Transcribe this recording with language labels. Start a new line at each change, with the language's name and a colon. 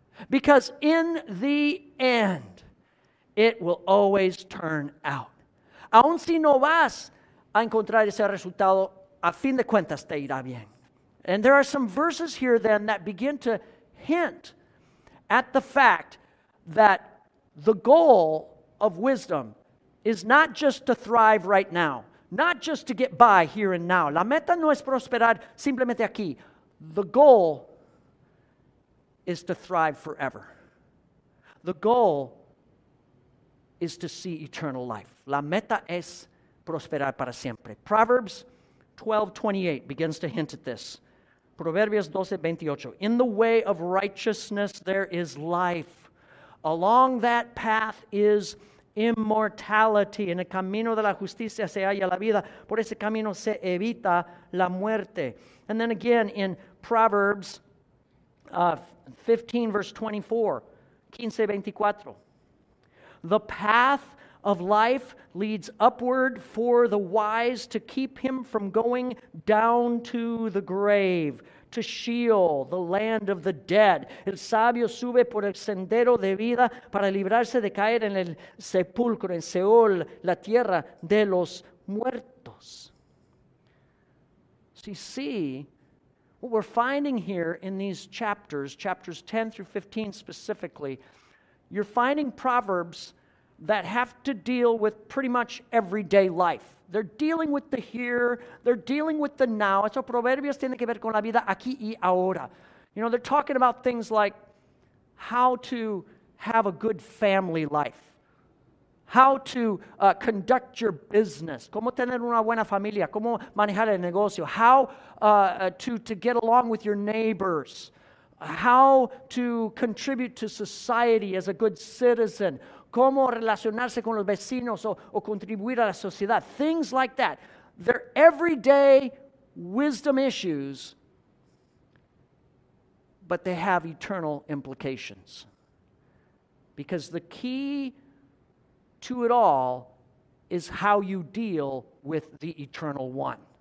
English: Because in the end, it will always turn out.
Spanish: Aún si no vas a encontrar ese resultado, a fin de cuentas te irá bien.
English: And there are some verses here then that begin to hint at the fact that the goal of wisdom is not just to thrive right now, not just to get by here and now.
Spanish: La meta no es prosperar simplemente aquí.
English: The goal is to thrive forever. The goal is to see eternal life.
Spanish: La meta es prosperar para siempre.
English: Proverbs 12:28 begins to hint at this.
Spanish: Proverbios 12:28.
English: In the way of righteousness there is life. Along that path is immortality.
Spanish: En el camino de la justicia se halla la vida. Por ese camino se evita la muerte.
English: And then again in Proverbs 15 verse 24, 15:24. The path of life leads upward for the wise to keep him from going down to the grave, to Sheol, the land of the dead.
Spanish: El sabio sube por el sendero de vida para librarse de caer en el sepulcro, en Seol, la tierra de los muertos.
English: So you see, what we're finding here in these chapters, chapters 10 through 15 specifically, you're finding proverbs that have to deal with pretty much everyday life. They're dealing with the here, they're dealing with the now.
Spanish: Esos proverbios tienen que ver con la vida aquí y ahora.
English: You know, they're talking about things like how to have a good family life, how to conduct your business,
Spanish: cómo tener una buena familia, cómo manejar el negocio,
English: how to get along with your neighbors, how to contribute to society as a good citizen,
Spanish: cómo relacionarse con los vecinos o contribuir a la sociedad.
English: Things like that. They're everyday wisdom issues, but they have eternal implications. Because the key to it all is how you deal with the eternal one.